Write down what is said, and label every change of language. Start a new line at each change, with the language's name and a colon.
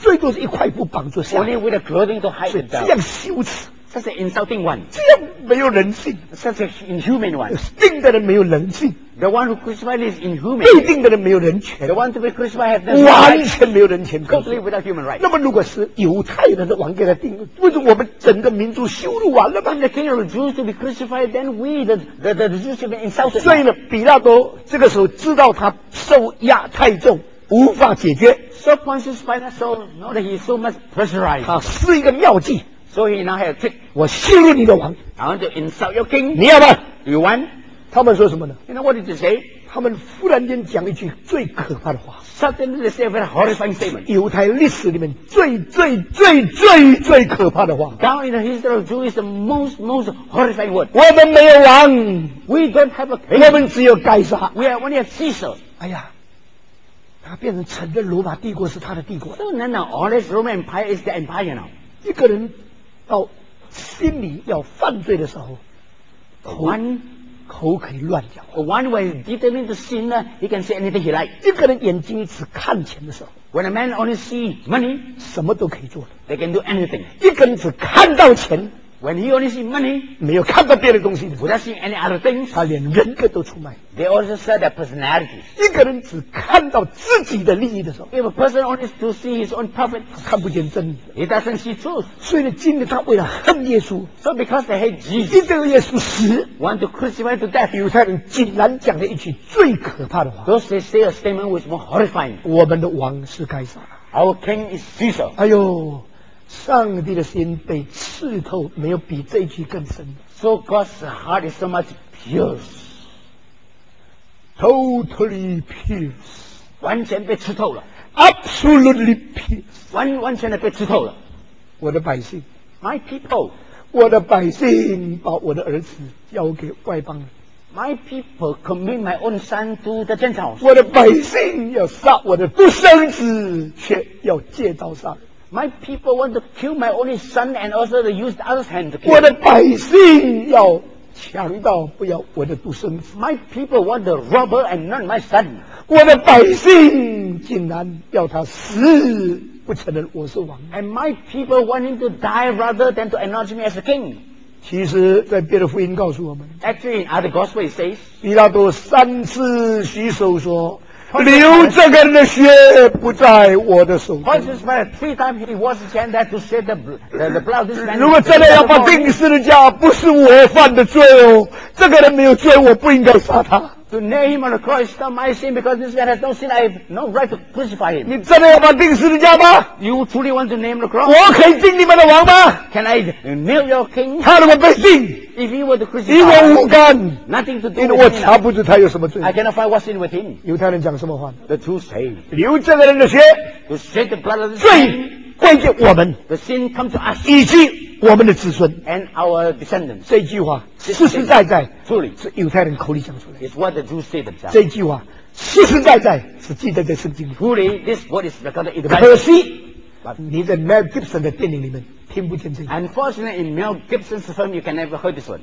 Chinese: 最多是一块布绑住下。
English: Only with a clothing to hide it down.
Chinese: 这样羞耻。
English: Such an insulting one.
Chinese: 这样没有人性。
English: Such an inhuman one.
Chinese: 钉的人没有人性。
English: The one who crucified is inhuman.
Chinese: 被钉的人没有人权。
English: The one to be crucified has no
Chinese: rights. 完全没有人权。
English: Completely without human rights.
Chinese: 那么如果是犹太人的王给他钉，为什么我们整个民族羞辱完了吗？
English: And the king of the Jews to be crucified, then we the Jews should be insulted.
Chinese: 所以呢，比拉多这个时候知道他受压太重，无法解决。
English: So Pontius Pilate saw now that he is so much pressurized.
Chinese: 他施一个妙计。
English: So he now had a trick.
Chinese: 我羞辱你的王。
English: I want to insult your king.
Chinese: 你要吗？
English: You want?
Chinese: 他们说什么呢？
English: You know what did you say?
Chinese: 他们忽然间讲一句最可怕的话。
English: Suddenly they say a very horrifying statement.
Chinese: 犹太历史里面最最最最最可怕的话。
English: Down in the history of Jews is the most horrifying word.
Chinese: 我们没有王。
English: We don't have a king.
Chinese: 我们只有该杀。
English: We have only a Caesar.
Chinese: 哎呀。他变成承认罗马帝国是他的帝国。
English: So now all this Roman Empire is the empire now.
Chinese: 一个人到心里要犯罪的时候，口可以乱讲。
English: One when determined to sin, he can say anything he likes.
Chinese: 一个人眼睛只看钱的时候
English: ，When a man only see money,
Chinese: 什么都可以做的。
English: They can do anything.
Chinese: 一个人只看到钱
English: ，When he only see money,
Chinese: 没有看到别的东西的
English: ，Without seeing any other things,
Chinese: 他连人格都出卖。
English: They also sell their personalities.
Chinese: 一个人只看到自己的利益的时候
English: ，If a person only to see his own profit,
Chinese: 他看不见真理
English: ，He doesn't see truth.
Chinese: 所以呢，今天他为了恨耶稣
English: ，So because they hate Jesus,
Chinese: 一定要耶稣死
English: ，Want to crucify to death.
Chinese: 犹太人竟然讲了一句最可怕的话
English: ，Those they say a statement which is more horrifying.
Chinese: 我们的王是该杀
English: ，Our king is Caesar.
Chinese: 哎呦，上帝的心被刺透，没有比这句更深。
English: So God's heart is so much pierced. Totally pierced.
Chinese: 完全被刺透了。
English: Absolutely pierced.
Chinese: 完全的被刺透了。我的百姓。
English: My people.
Chinese: 我的百姓把我的儿子交给外邦人。
English: My people commit my own son to the Gentiles.
Chinese: 我的百姓要杀我的独生子，却要借刀杀人。
English: My people want to kill my only son and also to use the other's hand to kill.
Chinese: 我的百姓要强盗不要我的独生子。
English: My people want the robber and not my son.
Chinese: 我的百姓竟然要他死，不承认我是王。
English: And my people want him to die rather than to acknowledge me as a king.
Chinese: 其实，在别的福音告诉我们
English: ，Actually, in other gospel it says,
Chinese: 比拉多三次洗手说，流这个人的血不在我的手中。
English: Pontius Pilate three times he was chained there to shed the blood of this man.
Chinese: 如果真的要把钉十字架，不是我犯的罪哦，这个人没有罪，我不应该杀他。
English: To nail him on the cross is not my sin because this man has no sin. I have no right to crucify him.
Chinese: 你真的要把钉十字架吗
English: ？You truly want to nail the cross?
Chinese: 我可以钉你们的王吗
English: ？Can I nail your king?
Chinese: 他如果被钉
English: ，If he were to crucify,
Chinese: 与我无干
English: ，Nothing to do.
Chinese: 因为我查不出他有什么罪。
English: I cannot find what's in with him.
Chinese: 犹太人讲什么话
English: ？The two say,
Chinese: 流这个人的血
English: ，To shed the blood of the
Chinese: 罪归给我们
English: ，The sin come to us.
Chinese: 以及我们的子孙
English: and our descendants.
Chinese: 这句话实实在在
English: truly
Chinese: 是犹太人口里讲出来
English: It's what the Jews say themselves.
Chinese: 这句话实实在在是记得在圣经里
English: truly this word is recorded in the Bible.
Chinese: 可惜 but 你在 Mel Gibson 的电影里面听不见这句
English: Unfortunately in Mel Gibson's film you can never hear this one.